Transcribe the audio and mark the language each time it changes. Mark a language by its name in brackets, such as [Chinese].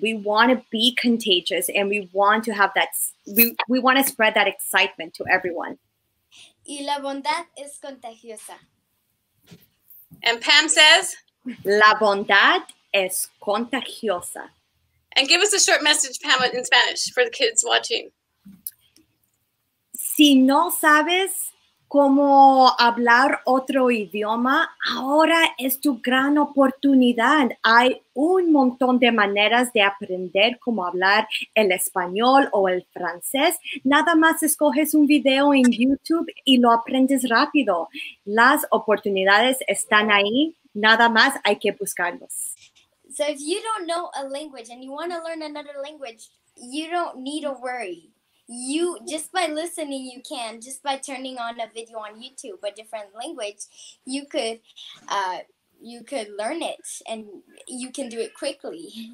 [English] We want to be contagious, and we want to have that, we want to spread that excitement to everyone. [Spanish] Y la bondad es contagiosa. [English] And Pam says? [Spanish] La bondad es contagiosa. [English] And give us a short message, Pam, in Spanish for the kids watching. [Spanish] Si no sabes cómo hablar otro idioma, ahora es tu gran oportunidad. Hay un montón de maneras de aprender cómo hablar el español o el francés. Nada más escoges un video en YouTube y lo aprendes rápido. Las oportunidades están ahí. Nada más hay que buscarlos. [English] So if you don't know a language and you want to learn another language, you don't need to worry. You just by listening, you can just by turning on a video on YouTube, a different language, you could learn it and you can do it quickly.